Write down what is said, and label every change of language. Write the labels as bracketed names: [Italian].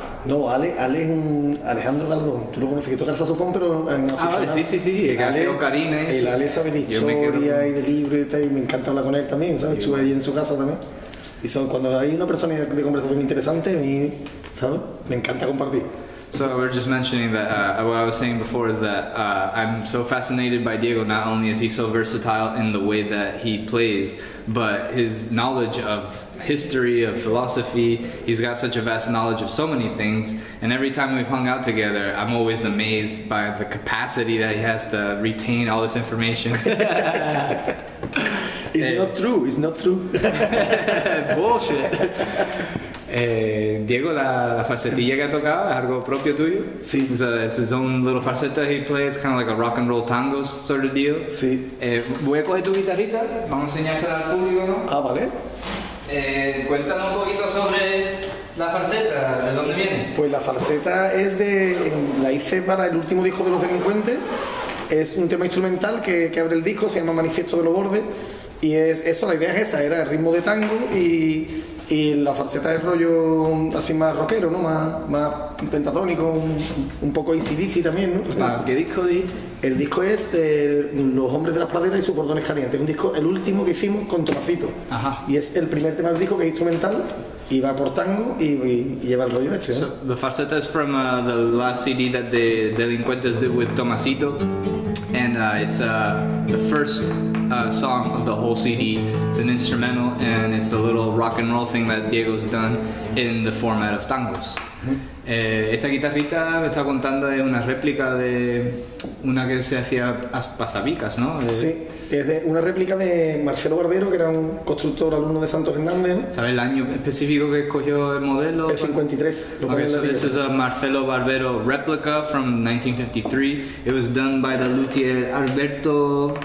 [Spanish] No, Ale es un Alejandro Galdón. Tú lo conoces, que toca el saxofón, pero en aficionado. Ah, vale, sí. El que Ale, hace ocarina, ¿eh? El Ale sabe de historia y de libro y tal, y me encanta hablar con él también, ¿sabes? Estuve ahí en su casa también. Y son cuando hay una persona de conversación interesante, a mí, ¿sabes? Me encanta compartir. [English] So we were just mentioning that what I was saying before is that I'm so fascinated by Diego. Not only is he so versatile in the way that he plays, but his knowledge of history, of philosophy, he's got such a vast knowledge of so many things. And every time we've hung out together, I'm always amazed by the capacity that he has to retain all this information. It's not true. Bullshit. [Spanish] Diego, la falsetilla que ha tocado es algo propio tuyo. Sí. [English] It's his own little falsetta he plays. It's kind of like a rock and roll tango sort of deal. [Spanish] Sí. Voy a coger tu guitarrita. Vamos a enseñársela al público, ¿no? Ah, vale. Cuéntanos un poquito sobre la falseta. ¿De dónde viene? Pues la falseta es de... La hice para el último disco de Los Delincuentes. Es un tema instrumental que abre el disco. Se llama Manifiesto de los Bordes. Y es eso, la idea es esa. Era el ritmo de tango y la falseta es rollo así más rockero, ¿no? Más pentatónico, un poco easy-deasy también, ¿no? ¿Qué disco dices? El disco es Los Hombres de las Praderas y sus Bordones Calientes. Es un disco, el último que hicimos con Tomasito. Ajá. Y es el primer tema del disco que es instrumental y va por tango y lleva el rollo este, ¿no? [English] So, the falseta is from the last CD that the Delincuentes did with Tomasito. And it's the first song of the whole CD. It's an instrumental and it's a little rock and roll thing that Diego's done in the format of tangos. [Spanish] Esta guitarrita me está contando es una réplica de una que se hacía a Pasavicas, ¿no? Sí, es de una réplica de Marcelo Barbero, que era un constructor alumno de Santos Hernández. ¿Sabes el año específico que escogió el modelo? El 53. [English] Okay, so this is a Marcelo Barbero replica from 1953. It was done by the luthier Alberto